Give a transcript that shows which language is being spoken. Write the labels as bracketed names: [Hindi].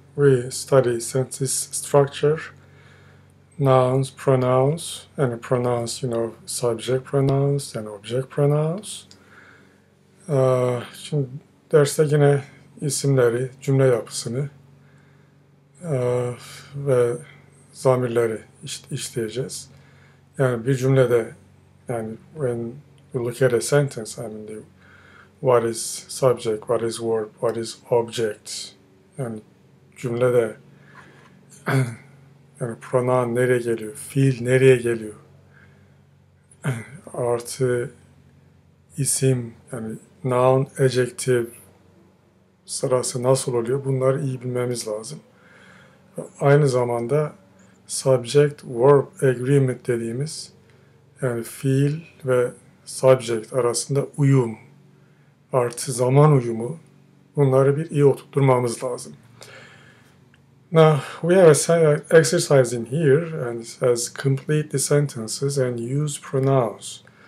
[English] We study sentence structure, nouns, pronouns, and pronouns, you know, subject pronouns and object pronouns. [Turkish] Şimdi derste yine isimleri, cümle yapısını ve zamirleri işleyeceğiz. Yani bir cümlede, yani [English] when you look at a sentence, Aminti, what is subject, what is verb, what is object? [Turkish] Yani cümlede yani pronoun nereye geliyor, fiil nereye geliyor? Artı isim, yani noun, adjective sırası nasıl oluyor? Bunları iyi bilmemiz lazım. Aynı zamanda subject, verb, agreement dediğimiz yani fiil ve subject arasında uyum, artı zaman uyumu, bunları bir iyi oturtmamız lazım. [English] Now, we have an exercise in here and it says complete the sentences and use pronouns.